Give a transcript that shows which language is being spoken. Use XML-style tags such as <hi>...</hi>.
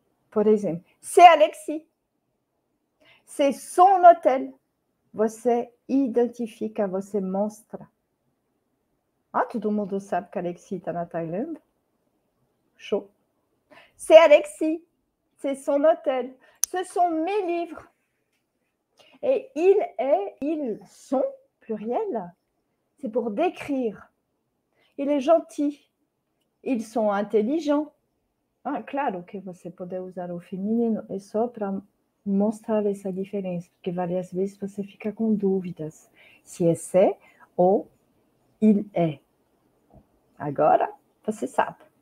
<pt>Por exemplo,</pt> <fr>c'est Alexis, c'est son hôtel.</fr> <pt>Você identifica, você mostra. Ah, todo mundo sabe que Alexis está na Thaïlande? Show.</pt> <fr>C'est Alexis, c'est son hôtel, ce sont mes livres. Et ils est, ils sont. Pluriel, c'est pour décrire. Il est gentil. Ils sont intelligents.</fr> <pt>Ah, claro que você pode usar o feminino e só para mostrar essa diferença, porque várias vezes você fica com dúvidas se é</pt> <fr>c'est ou il est.</fr> <pt>Agora você sabe.</pt>